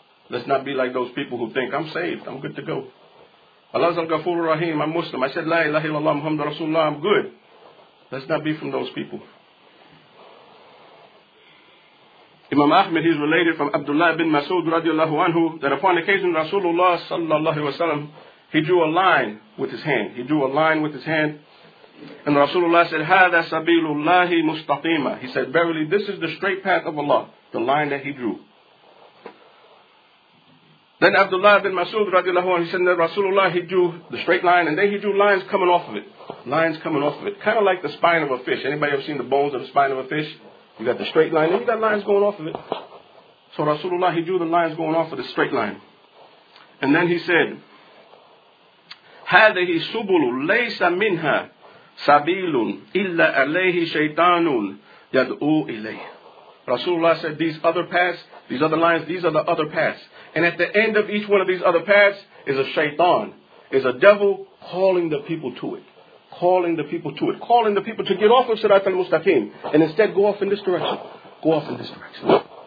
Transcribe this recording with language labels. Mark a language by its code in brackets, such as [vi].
[en] Let's not be like those people who think, I'm saved, I'm good to go. Allah is al-Ghafoor al-Rahim, I'm Muslim, I said La ilaha illallah Muhammad Rasulullah, I'm good. Let's not be from those people. Imam Ahmed, he's related from Abdullah ibn Mas'ud radiallahu anhu, that upon occasion Rasulullah sallallahu alayhi wa sallam, he drew a line with his hand. He drew a line with his hand. And Rasulullah said, [ar] هَذَا سَبِيلُ اللَّهِ مُسْتَقِيمًا. [en] He said, verily, this is the straight path of Allah, the line that he drew. Then Abdullah ibn Mas'ud radiallahu anhu, he said that Rasulullah, he drew the straight line, and then he drew lines coming off of it. Lines coming off of it. Kind of like the spine of a fish. Anybody ever seen the bones of the spine of a fish? You got the straight line, and you got lines going off of it. So Rasulullah, he drew the lines going off of the straight line. And then he said, [ar] هَذِهِ سُبُلُ لَيْسَ مِنْهَا سَبِيلٌ إِلَّا أَلَيْهِ شَيْطَانٌ يَدْعُوا إِلَيْهِ. [en] Rasulullah said, these other paths, these other lines, these are the other paths. And at the end of each one of these other paths is a shaitan, is a devil calling the people to it. Calling the people to it. Calling the people to get off of Sirat al-Mustaqim and instead go off in this direction. Go off in this direction.